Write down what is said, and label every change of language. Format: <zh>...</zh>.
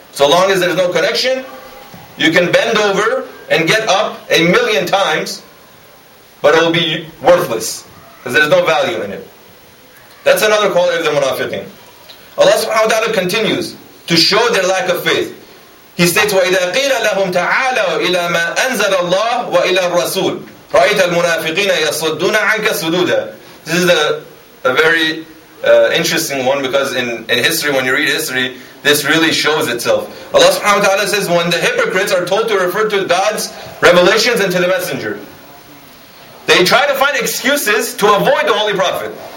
<en>So long as there's no connection, you can bend over and get up a million times, but it will be worthless, because there's no value in it. That's another quality of the munafiqin. Allah subhanahu wa ta'ala continues to show their lack of faith. He states,</en> <ar>وَإِذَا قِيلَ لَهُمْ تَعَالَوْا إِلَى مَا أَنزَلَ اللَّهُ وَإِلَى الرَّسُولِ رَأَيْتَ الْمُنَافِقِينَ يَصُدُّونَ عَنْكَ سُدُودًا.</ar> <en>This is a very interesting one, because in history, when you read history, this really shows itself. Allah subhanahu wa ta'ala says, when the hypocrites are told to refer to God's revelations and to the Messenger, they try to find excuses to avoid the Holy Prophet.</en>